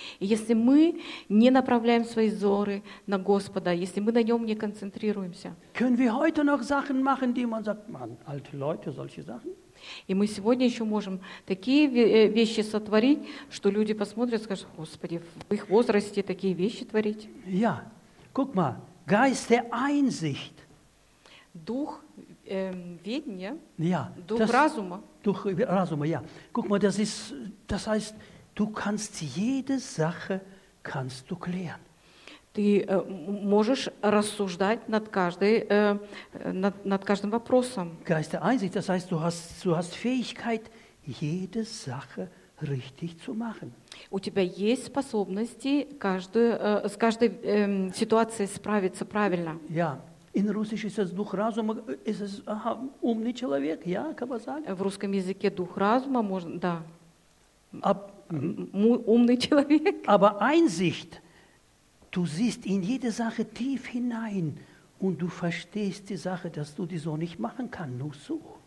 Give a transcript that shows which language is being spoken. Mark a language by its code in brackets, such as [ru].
[ru] если мы не направляем свои взоры на Господа, если мы на нем не концентрируемся, [de] können wir heute noch Sachen machen, die man sagt, man, alte Leute, solche Sachen? [ru] И мы сегодня еще можем такие вещи сотворить, что люди посмотрят и скажут, Господи, в их возрасте такие вещи творить. [de] Ja, guck mal, Geist der Einsicht. [ru] Дух ведения, [de] ja, [ru] дух das, разума. Дух разума, ja. [de] Guck mal, das ist, das heißt, du kannst jede Sache kannst du klären. [ru] Ты можешь рассуждать над каждой, над каждым вопросом. [de] Geist der Einsicht, das heißt, du hast Fähigkeit, jede Sache richtig zu machen. [ru] У тебя есть способности каждую, с каждой ситуацией справиться правильно. [de] Ja, in Russisch ist es Duch Razuma, ist es [ru] умный человек, [de] ja, kann man sagen. [ru] В русском языке Дух Разума, можно, да, умный человек. [de] Aber Einsicht. Du siehst in jede Sache tief hinein und du verstehst die Sache, dass du die so nicht machen kannst, nur so.